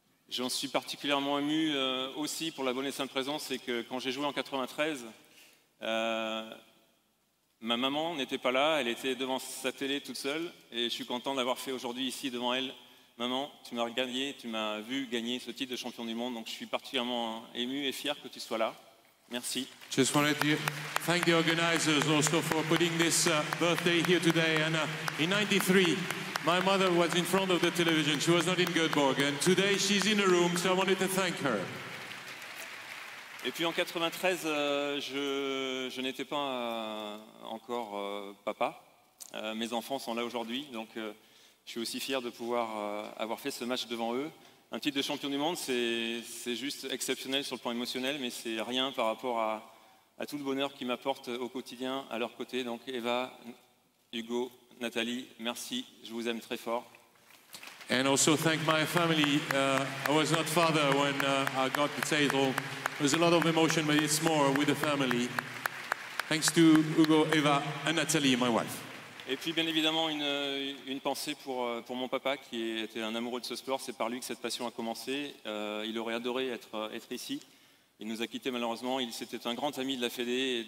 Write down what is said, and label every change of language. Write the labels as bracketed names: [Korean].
[French] J'en suis particulièrement ému aussi pour la bonne et simple raison, c'est que quand j'ai joué en 93, ma maman n'était pas là, elle était devant sa télé toute seule, et je suis content d'avoir fait aujourd'hui ici devant elle, maman, tu m'as gagné, tu m'as vu gagner ce titre de champion du monde, donc je suis particulièrement ému et fier que tu sois là. Merci. [English] Just wanted to thank the organizers also for putting this birthday here today, and in 93. My mother was in front of the television. She was not in Göteborg, and today she's in a room, so I wanted to thank her. [French] Et puis en 93, je n'étais pas encore papa. Mes enfants sont là aujourd'hui, donc je suis aussi fier de pouvoir avoir fait ce match devant eux. Un titre de champion du monde, c'est juste exceptionnel sur le plan émotionnel, mais c'est rien par rapport à tout le bonheur qu'ils m'apportent au quotidien à leur côté. Donc Eva, Hugo, Nathalie, merci, je vous aime très fort. [English] And also thank my family. I was not father when I got the title. There was a lot of emotion, but it's more with the family. Thanks to Hugo, Eva and Nathalie, my wife. [French] Et puis bien évidemment une pensée pour mon papa qui était un amoureux de ce sport. C'est par lui que cette passion a commencé. Il aurait adoré être ici. Il nous a quittés malheureusement. Il c'était un grand ami de la Fédé.